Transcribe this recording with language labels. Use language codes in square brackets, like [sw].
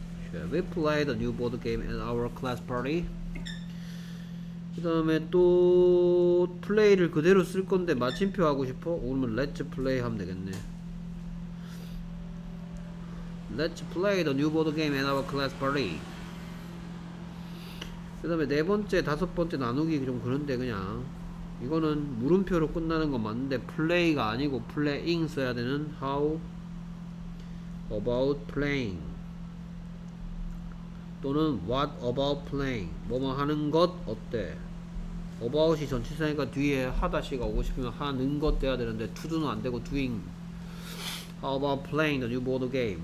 [en] Shall we play the new board game at our class party? [ko] 그 다음에 또 play를 그대로 쓸 건데 마침표 하고 싶어? 그러면 [en] let's play [ko] 하면 되겠네. [en] Let's play the new board game at our class party. [ko] 그 다음에 네 번째, 다섯 번째 나누기 좀 그런데 그냥 이거는 물음표로 끝나는 건 맞는데 play가 아니고 playing 써야 되는 [en] how about playing [ko] 또는 [en] what about playing [ko] 뭐뭐 하는 것 어때 about이 전치사니까 뒤에 하다시가 오고 싶으면 하는 것 돼야 되는데 to도는 안 되고 doing [en] How about playing the new board game?